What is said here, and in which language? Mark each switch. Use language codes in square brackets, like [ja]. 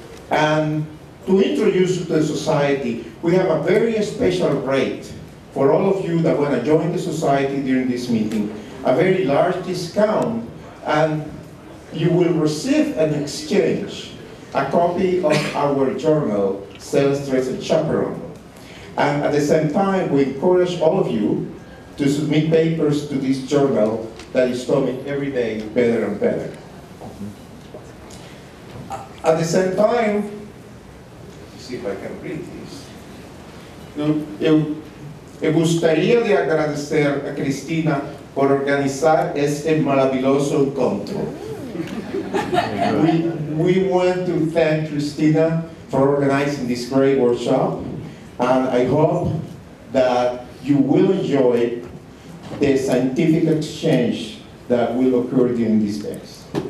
[en] And to introduce you to the society, we have a very special rate for all of you that want to join the society during this meeting, a very large discount, and you will receive an exchange, a copy of our journal, Cell Stress and Chaperone. And at the same time, we encourage all of you to submit papers to this journal that is coming every day better and better. At the same time, let's see if I can read this. [es] Me gustaría de agradecer a Cristina por organizar este maravilloso encuentro. [en] We want to thank Cristina for organizing this great workshop, and I hope that you will enjoy the scientific exchange that will occur during these days.